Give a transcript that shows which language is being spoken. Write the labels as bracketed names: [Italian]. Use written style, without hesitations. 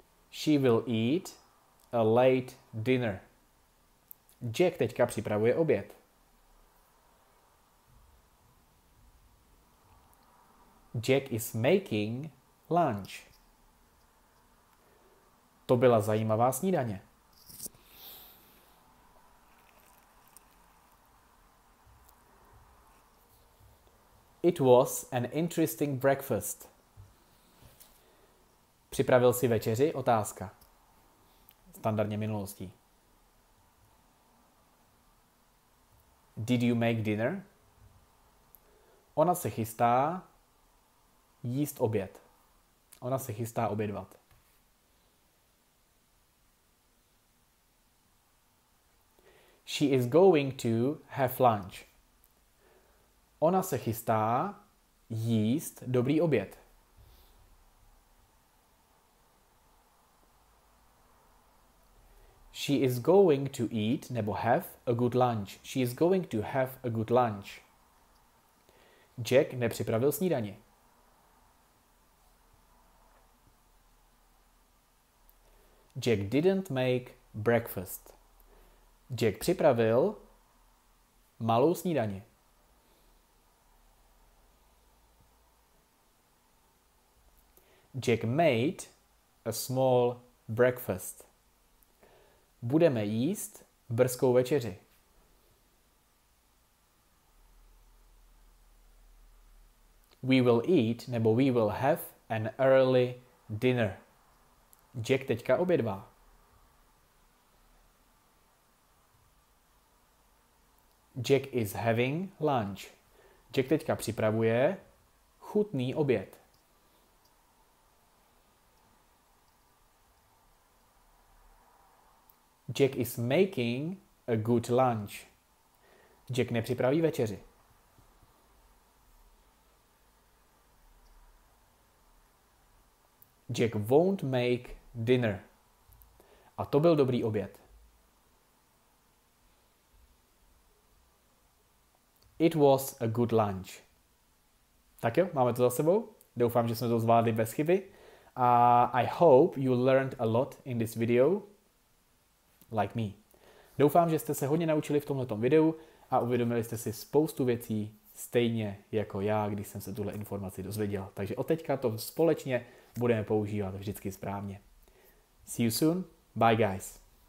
[English] She will eat a late dinner. [Czech] Jack teďka připravuje oběd. [English] Jack is making lunch. [Czech] To byla zajímavá snídaně. [English] It was an interesting breakfast. [Czech] Připravil si večeři? Otázka. Standardně minulostí. [English] Did you make dinner? [Czech] Ona se chystá jíst oběd. Ona se chystá obědvat. [English] She is going to have lunch. [Czech] Ona se chystá jíst dobrý oběd. [English] She is going to eat nebo have a good lunch. She is going to have a good lunch. [Czech] Jack nepřipravil snídani. [English] Jack didn't make breakfast. [Czech] Jack připravil malou snídani. [English] Jack made a small breakfast. [Czech] Budeme jíst brzkou večeři. [English] We will eat, nebo we will have an early dinner. [Czech] Jack teďka obědvá. [English] Jack is having lunch. [Czech] Jack teďka připravuje chutný oběd. [English] Jack is making a good lunch. [Czech] Jack nepřipraví večeři. [English] Jack won't make dinner. [Czech] A to byl dobrý oběd. [English] It was a good lunch. [Czech] Tak jo, máme to za sebou. Doufám, že jsme to zvládli bez chyby. [English] I hope you learned a lot in this video. Like me. [Czech] Doufám, že jste se hodně naučili v tomhletom videu a uvědomili jste si spoustu věcí stejně jako já, když jsem se tuhle informaci dozvěděl. Takže od teďka to společně budeme používat vždycky správně. [English] See you soon. Bye guys.